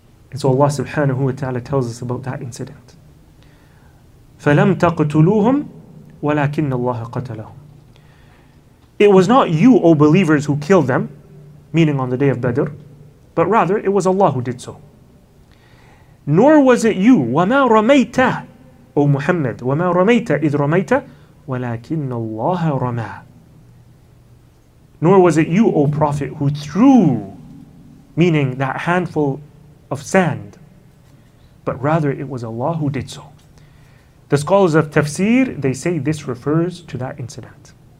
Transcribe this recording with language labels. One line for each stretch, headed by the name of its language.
English: And so Allah subhanahu wa ta'ala tells us about that incident.
Arabic: فَلَمْ تَقْتُلُوهُمْ وَلَكِنَّ اللَّهَ قَتَلَهُمْ.
English: It was not you, O believers, who killed them, meaning on the day of Badr, but rather it was Allah who did so. Nor was it you,
Arabic: وَمَا رَمَيْتَ,
English: O Muhammad,
Arabic: وَمَا رَمَيْتَ إِذْ رَمَيْتَ وَلَكِنَّ اللَّهَ رَمَى.
English: Nor was it you, O Prophet, who threw, meaning that handful of sand, but rather it was Allah who did so. The scholars of tafsir, they say this refers to that incident.